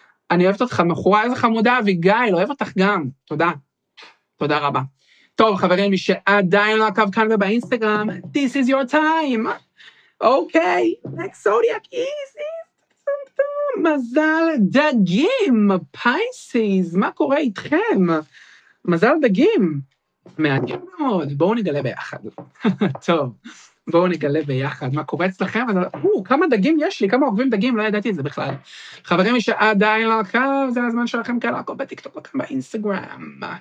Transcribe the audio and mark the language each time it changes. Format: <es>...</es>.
<he>אני אוהבת אותך, מחורה, איזה חמודה, אביגיל, אוהב אותך גם, תודה. תודה רבה. טוב, חברים, מי שעדיין לא עקב כאן ובאינסטגרם,</he> <en>this is your time. אוקיי, next zodiac is it.</en> <he>מזל דגים, פייסיס, מה קורה איתכם? מזל דגים. מעניין מאוד, בואו נגלה ביחד. טוב. בואו נגלה ביחד, מה קורה אצלכם? כמה דגים יש לי, כמה אוהבים דגים, לא ידעתי את זה בכלל. חברים, מי שעדיין לא עקב, זה הזמן שלכם כאלה, עקוב בטיקטוק וכאן באינסטגרם.</he>